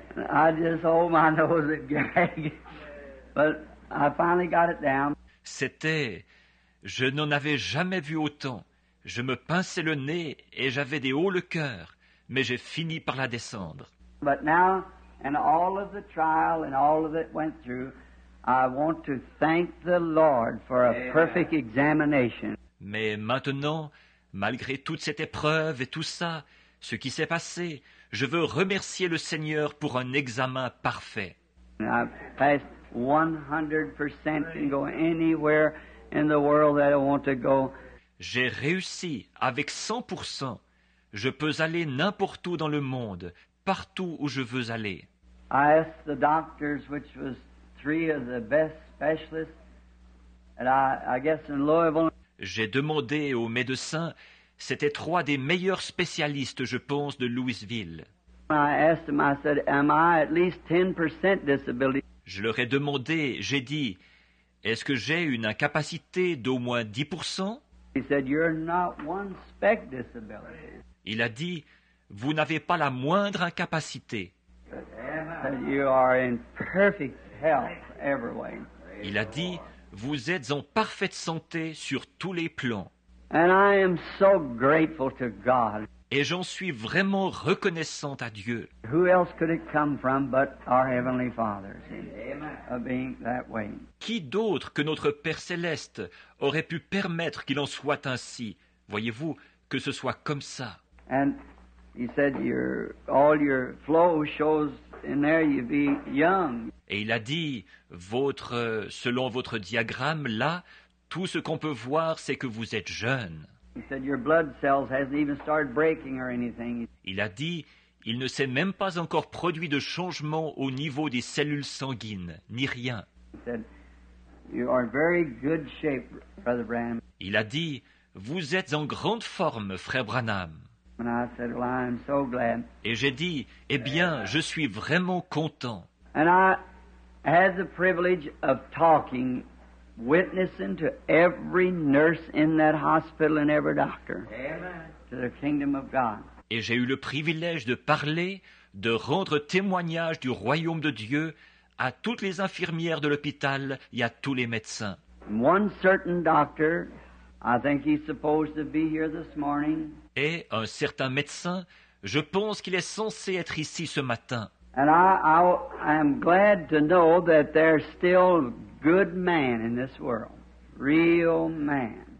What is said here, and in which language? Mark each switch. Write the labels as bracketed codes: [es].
[en] I just hold my nose and gag. But I finally got it down. [fr] C'était, je n'en avais jamais vu autant. Je me pinçais le nez et j'avais des hauts le cœur, mais j'ai fini par la descendre. [en] But now, and all of the trial and all of it went through, I want to thank the Lord for a perfect examination. [fr] Mais maintenant, malgré toute cette épreuve et tout ça, ce qui s'est passé, je veux remercier le Seigneur pour un examen parfait. [en] I passed 100% and go anywhere in the world that I want to go. [fr] J'ai réussi avec 100%. Je peux aller n'importe où dans le monde, partout où je veux aller. [en] I asked the doctors, which was 3 of the best specialists, and I guess in Louisville. [fr] J'ai demandé aux médecins, c'était 3 des meilleurs spécialistes, je pense, de Louisville. [en] I asked them, I said, am I at least 10% disability? [fr] Je leur ai demandé, j'ai dit, est-ce que j'ai une incapacité d'au moins 10%? [en] He said, "You're not one speck disability." [fr] Il a dit, vous n'avez pas la moindre incapacité. [en] You are in perfect health every way. [fr] Il a dit, vous êtes en parfaite santé sur tous les plans. [en] And I am so grateful to God. [fr] Et j'en suis vraiment reconnaissant à Dieu. [en] Who else could it come from but our Heavenly Father, of being that way? [fr] Qui d'autre que notre Père Céleste aurait pu permettre qu'il en soit ainsi? Voyez-vous, que ce soit comme ça. [en] And he said, all your flow shows in there you be young. [fr] Et il a dit, selon votre diagramme, là, tout ce qu'on peut voir, c'est que vous êtes jeune. [en] He said, your blood cells hasn't even started breaking or anything. [fr] Il a dit, il ne s'est même pas encore produit de changement au niveau des cellules sanguines, ni rien. [en] He said, you are in very good shape, Brother Branham. [fr] Il a dit, vous êtes en grande forme, Frère Branham. [en] And I said, well, I'm so glad. [fr] Et j'ai dit, eh bien, je suis vraiment content. [en] And I had the privilege of talking, witnessing to every nurse in that hospital and every doctor. Amen. To the kingdom of God. [fr] Et j'ai eu le privilège de parler, de rendre témoignage du royaume de Dieu à toutes les infirmières de l'hôpital et à tous les médecins. [en] One certain doctor, I think he's supposed to be here this morning. [fr] Et un certain médecin, je pense qu'il est censé être ici ce matin. [en] And I am glad to know that there's still good man in this world, real man.